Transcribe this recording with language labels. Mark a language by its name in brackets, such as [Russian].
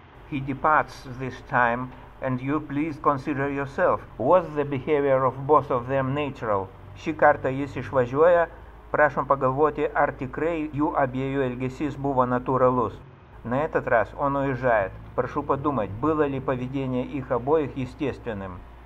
[English] He departs this time, and you please consider yourself. Was the behavior of both of them natural? [Lithuanian] Šį kartą jis išvažiuoja, prašom pagalvoti, ar tikrai jų abiejų elgesys buvo natūralus. [Russian] На этот раз он уезжает. Прошу подумать, было ли поведение их обоих естественным.